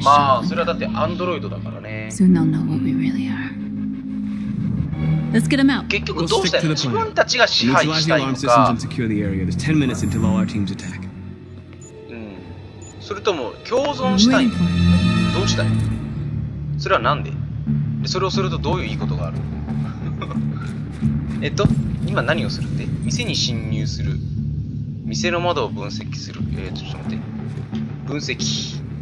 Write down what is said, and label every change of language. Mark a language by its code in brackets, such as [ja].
[ja] まあそれはだってアンドロイドだからね。 [en] Soon they'll know what we really are. Let's get them out. [ja] 結局どうしたの？自分たちが支配したいのか。 [en] There's 10 minutes until all our teams attack. [ja] それとも共存したいの？どうしたい？それはなんで？で、それをするとどういういいことがある？今何をするって？店に侵入する。店の窓を分析する。ちょっと待って。分析。